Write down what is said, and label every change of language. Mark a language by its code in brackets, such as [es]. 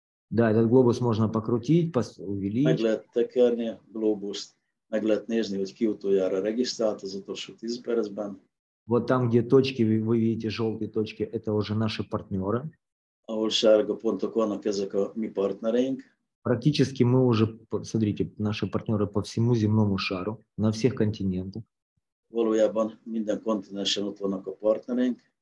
[ru] Да, этот глобус можно покрутить, увеличить. [hu] Meg lehet tekerni a globust, meg lehet nézni, hogy ki utoljára regisztrált az utolsó 10 percben. [ru] Вот там, где точки, вы видите желтые точки, это уже наши партнеры. [hu] Ahol sárga pontok vannak, ezek a mi partnereink. [ru] Практически мы уже, смотрите, наши партнеры по всему земному шару, на всех континентах. [hu] Valójában minden kontinensen ott vannak a partnereink.